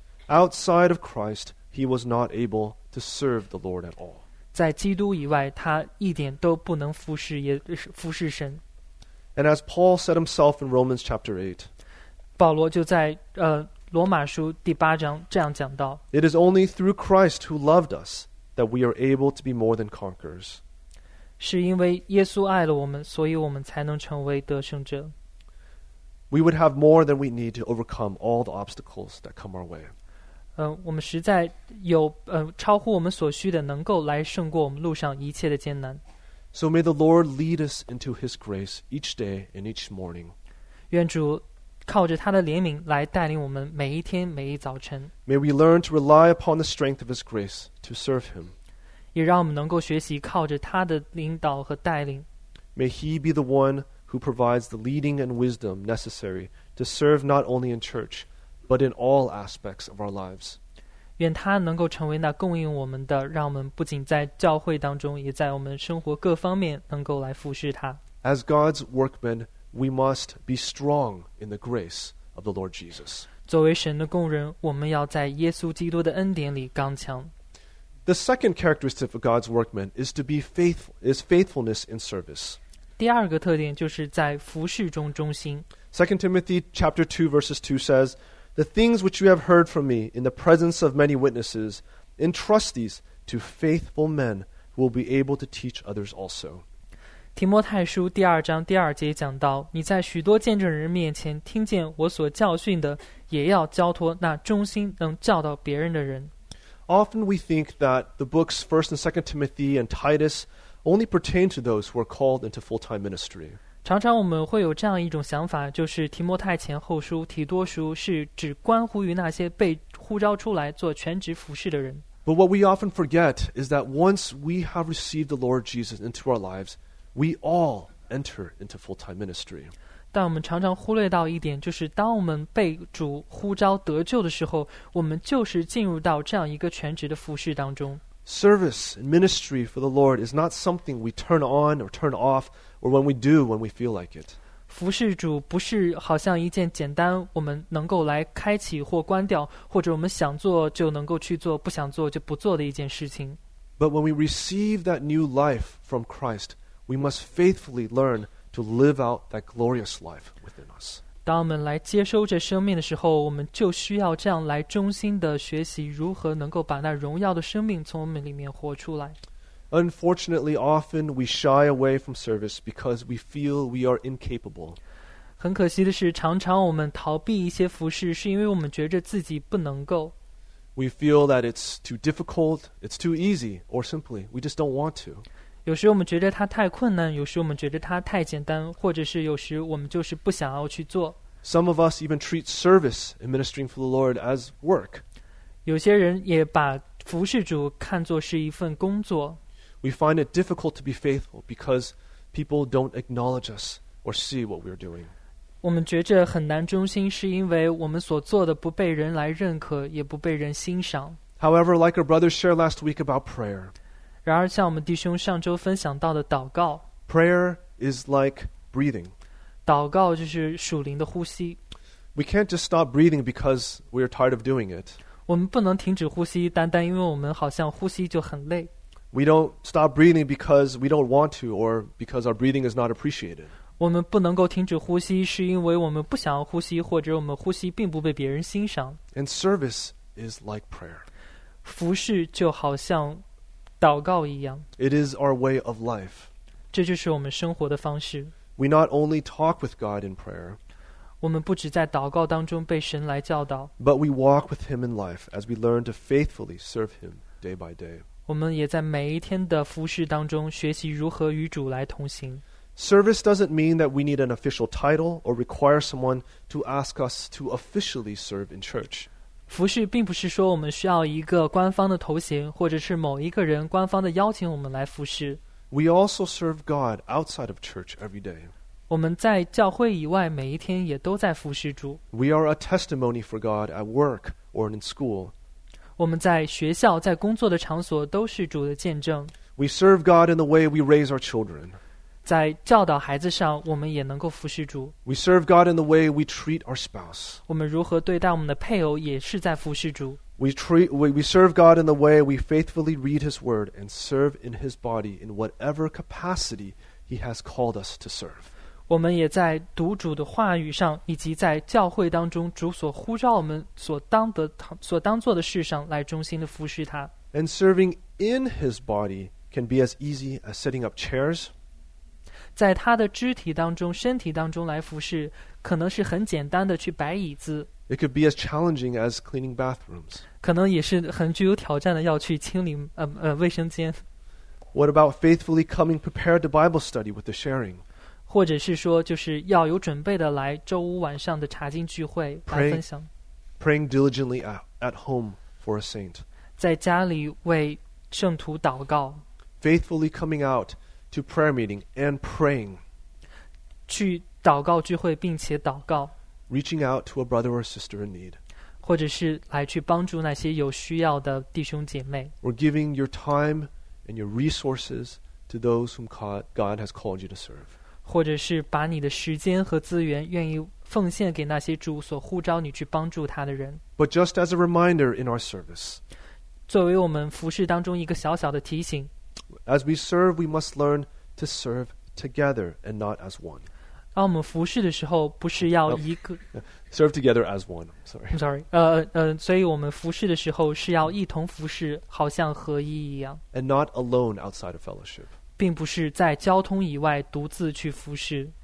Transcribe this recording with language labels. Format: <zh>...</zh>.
<en>Outside of Christ, he was not able to serve the Lord at all.</en> <zh>在基督以外他一点都不能服侍神。</zh> <en>And as Paul said himself in Romans chapter 8,</en> <zh>保罗就在罗马书第八章这样讲到</zh> <en>It is only through Christ who loved us,that we are able to be more than conquerors.</en> <zh>是因为耶稣爱了我们，所以我们才能成为得胜者。</zh> <en>We would have more than we need to overcome all the obstacles that come our way.</en> <zh>我们实在有超乎我们所需的，能够来胜过我们路上一切的艰难。</zh> <en>So may the Lord lead us into His grace each day and each morning.</en> <zh>愿主靠着他的怜悯来带领我们每一天每一早晨。</zh> <en>May we learn to rely upon the strength of His grace to serve Him.</en> <zh>也让我们能够学习靠着他的领导和带领。</zh> <en>May He be the one who provides the leading and wisdom necessary to serve not only in church, but in all aspects of our lives.</en> <zh>愿他能够成为那供应我们的，让我们不仅在教会当中，也在我们生活各方面能够来服侍他。</zh> <en>As God's workmen,We must be strong in the grace of the Lord Jesus.</en> <zh>作为神的工人，我们要在耶稣基督的恩典里刚强。</zh> <en>The second characteristic of God's workmen is to be faithful, is faithfulness in service.</en> <zh>第二个特点就是在服事中忠心。</zh> <en>2 Timothy chapter 2 verses 2 says, The things which you have heard from me in the presence of many witnesses, entrust these to faithful men who will be able to teach others also.</en> <zh>提摩太书第二章第二节讲到，你在许多见证人面前听见我所教训的，也要交托那忠心能教导别人的人。</zh> <en>Often we think that the books 1st and 2nd Timothy and Titus only pertain to those who are called into full-time ministry.</en> <zh>常常我们会有这样一种想法，就是提摩太前后书、提多书是只关乎于那些被呼召出来做全职服事的人。</zh> <en>But what we often forget is that once we have received the Lord Jesus into our lives,We all enter into full-time ministry.</en> <zh>但我们常常忽略到一点，就是当我们被主呼召得救的时候，我们就是进入到这样一个全职的服事当中。</zh> <en>Service and ministry for the Lord is not something we turn on or turn off, or when we do when we feel like it.</en> <zh>服事主不是好像一件简单我们能够来开启或关掉，或者我们想做就能够去做，不想做就不做的一件事情。</zh> <en>But when we receive that new life from Christ,We must faithfully learn to live out that glorious life within us.</en> <zh>当我们来接收这生命的时候，我们就需要这样来忠心的学习如何能够把那荣耀的生命从我们里面活出来。</zh> <en>Unfortunately, often we shy away from service because we feel we are incapable.</en> <zh>很可惜的是，常常我们逃避一些服事，是因为我们觉着自己不能够。</zh> <en>We feel that it's too difficult, it's too easy, or simply, we just don't want to.</en> <zh>有时我们觉得它太困难，有时我们觉得它太简单，或者是有时我们就是不想要去做。</zh> <en>Some of us even treat service in ministering for the Lord as work.</en> <zh>有些人也把服事主看作是一份工作。</zh> <en>We find it difficult to be faithful because people don't acknowledge us or see what we're doing.</en> <zh>我们觉着很难忠心，是因为我们所做的不被人来认可，也不被人欣赏。</zh> <en>However, like our brothers shared last week about prayer,</en> <zh>然而像我们弟兄上周分享到的祷告</zh> <en>Prayer is like breathing</en> <zh>祷告就是属灵的呼吸</zh> <en>We can't just stop breathing because we are tired of doing it</en> <zh>我们不能停止呼吸单单因为我们好像呼吸就很累</zh> <en>We don't stop breathing because we don't want to or because our breathing is not appreciated</en> <zh>我们不能够停止呼吸是因为我们不想要呼吸或者我们呼吸并不被别人欣赏</zh> <en>And service is like prayer</en> <zh>服事就好像祷告一样</zh> <en>It is our way of life.</en> <zh>这就是我们生活的方式</zh> <en>We not only talk with God in prayer.</en> <zh>我们不只在祷告当中被神来教导</zh> <en>But we walk with Him in life as we learn to faithfully serve Him day by day.</en> <zh>我们也在每一天的服事当中学习如何与主来同行</zh> <en>Service doesn't mean that we need an official title or require someone to ask us to officially serve in church.</en> <zh>服事并不是说我们需要一个官方的头衔，或者是某一个人官方的邀请我们来服事。</zh> <en>We also serve God outside of church every day.</en> <zh>我们在教会以外每一天也都在服事主。</zh> <en>We are a testimony for God at work or in school.</en> <zh>我们在学校、在工作的场所都是主的见证。</zh> <en>We serve God in the way we raise our children.</en> <zh>在教导孩子上，我们也能够服事主。</zh> <en>We serve God in the way we treat our spouse.</en> <zh>我们如何对待我们的配偶，也是在服事主。</zh> <en>We serve God in the way we faithfully read His word and serve in His body in whatever capacity He has called us to serve.</en> <zh>我们也在读主的话语上，以及在教会当中主所呼召我们所当做的事上来忠心的服事他。</zh> <en>And serving in His body can be as easy as setting up chairs.</en> <zh>在他的肢体当中身体当中来服侍可能是很简单的去摆椅子</zh> <en>It could be as challenging as cleaning bathrooms</en> <zh>可能也是很具有挑战的要去清理卫生间</zh> <en>What about faithfully coming prepared to Bible study with the sharing</en> <zh>或者是说就是要有准备的来周五晚上的查经聚会来分享。</zh> <en>Praying diligently at home for a saint.</en> <zh>在家里为圣徒祷告。</zh> <en>Faithfully coming out to prayer meeting and praying.</en> <zh>去祷告聚会并且祷告。</zh> <en>Reaching out to a brother or sister in need.</en> <zh>或者是来去帮助那些有需要的弟兄姐妹。</zh> <en>Or giving your time and your resources to those whom God has called you to serve.</en> <zh>或者是把你的时间和资源愿意奉献给那些主所呼召你去帮助他的人。</zh> <en>But just as a reminder in our service,</en> <zh>作为我们服事当中一个小小的提醒。</zh> <en>As we serve, we must learn to serve together and not as one.</en> <zh>当我们服事的时候不是要一个</zh> <en>serve together as one, I'm sorry.</en> <zh>所以我们服事的时候是要一同服事，好像合一一样。</zh> <en>And not alone outside of fellowship.</en> <zh>并不是在交通以外独自去服事。</zh>